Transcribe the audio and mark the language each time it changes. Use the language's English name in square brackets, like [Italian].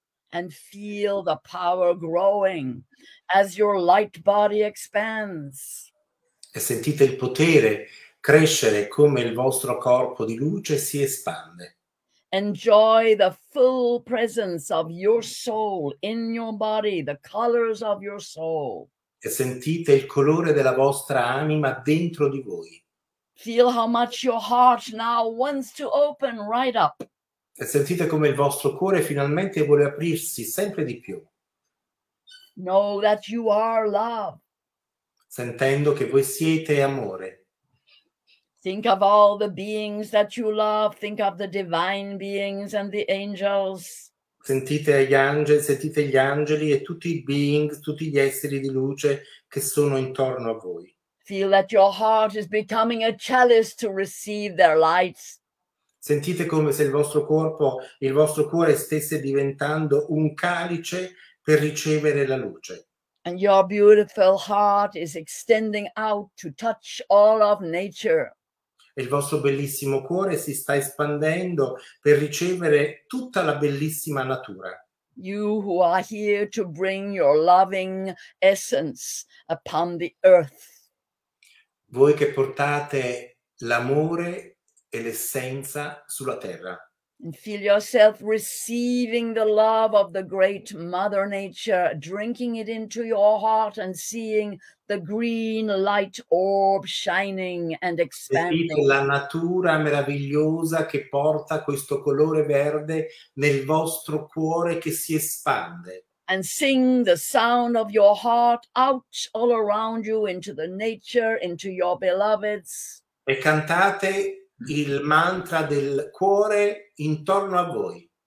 [English] And feel the power growing as your light body expands. [Italian] E sentite il potere crescere come il vostro corpo di luce si espande. [English] Enjoy the full presence of your soul in your body, the colors of your soul. [Italian] E sentite il colore della vostra anima dentro di voi. [English] Feel how much your heart now wants to open right up. [Italian] E sentite come il vostro cuore finalmente vuole aprirsi sempre di più. [English] Know that you are love. [Italian] Sentendo che voi siete amore. [English] Think of all the beings that you love. Think of the divine beings and the angels. [Italian] Sentite gli angeli e tutti i beings, tutti gli esseri di luce che sono intorno a voi. [English] Feel that your heart is becoming a chalice to receive their lights. [Italian] Sentite come se il vostro cuore stesse diventando un calice per ricevere la luce. [English] And your beautiful heart is extending out to touch all of nature. [Italian] E il vostro bellissimo cuore si sta espandendo per ricevere tutta la bellissima natura. [English] You who are here to bring your loving essence upon the earth. [Italian] Voi che portate l'amore e l'essenza sulla terra. [English] And feel yourself receiving the love of the great Mother Nature, drinking it into your heart and seeing the green light orb shining and expanding. [Italian] Sentite la natura meravigliosa che porta questo colore verde nel vostro cuore che si espande. [English] And sing the sound of your heart out all around you into the nature, into your beloveds. [Italian] E cantate il mantra del cuore intorno a voi.